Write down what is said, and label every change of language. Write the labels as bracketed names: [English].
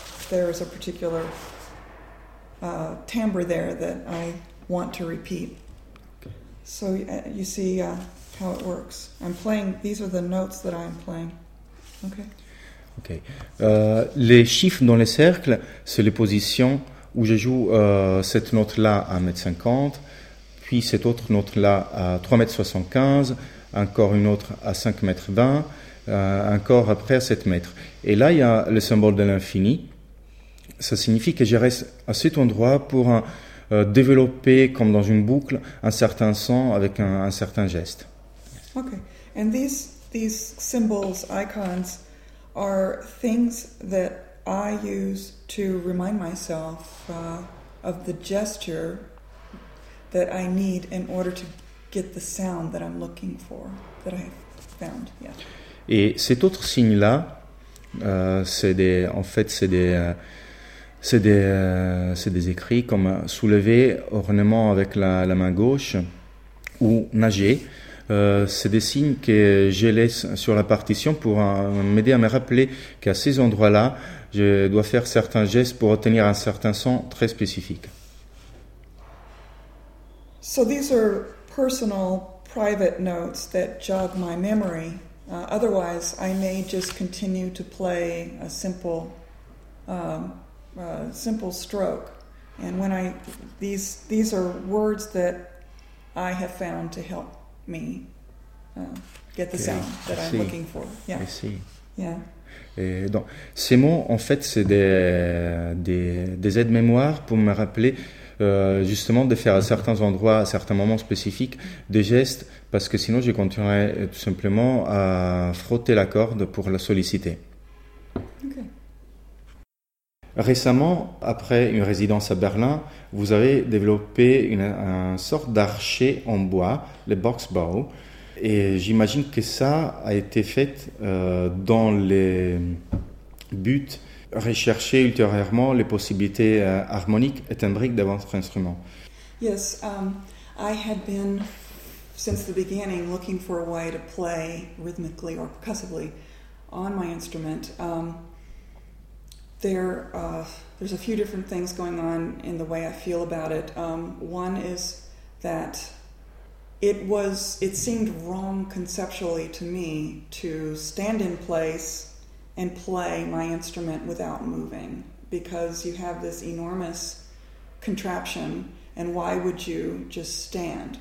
[English] There is a particular timbre there that I want to repeat. Okay. So you see how it works. I'm playing. These are the notes that I am playing. Okay. Okay. [French] Les chiffres dans les cercles, c'est les positions où je joue cette note-là à 1,50 m, puis cette autre note-là à 3,75 m, encore une autre à 5,20 m, encore après à 7 m. Et là, il y a le symbole de l'infini. Ça signifie que je reste à cet endroit pour développer, comme dans une boucle, un certain son avec un certain geste. OK. [English] And these symbols, icons, are things that I use to remind myself of the gesture that I need in order to get the sound that I'm looking for, that I've found. Yeah. [French] Et cet autre signe là, c'est des écrits comme soulever, ornement avec la main gauche ou nager. C'est des signes que je laisse sur la partition pour m'aider à me rappeler qu'à ces endroits-là, je dois faire certains gestes pour obtenir un certain son très spécifique. [English] So these are personal, private notes that jog my memory. Otherwise, I may just continue to play a simple, simple stroke. And when I these are words that I have found to help me get the sound that I'm looking for. Yeah. I see. Yeah. [French] Et donc, ces mots, en fait, c'est des aides-mémoire pour me rappeler justement de faire à certains endroits, à certains moments spécifiques, des gestes, parce que sinon je continuerais tout simplement à frotter la corde pour la solliciter. Okay. Récemment, après une résidence à Berlin, vous avez développé une sorte d'archet en bois, le Boxbau. Et j'imagine que ça a été fait dans les buts rechercher ultérieurement les possibilités harmoniques et timbriques de votre instrument. [English] Yes, I had been since the beginning looking for a way to play rhythmically or percussively on my instrument. There's a few different things going on in the way I feel about it. One is that It seemed wrong conceptually to me to stand in place and play my instrument without moving, because you have this enormous contraption, and why would you just stand?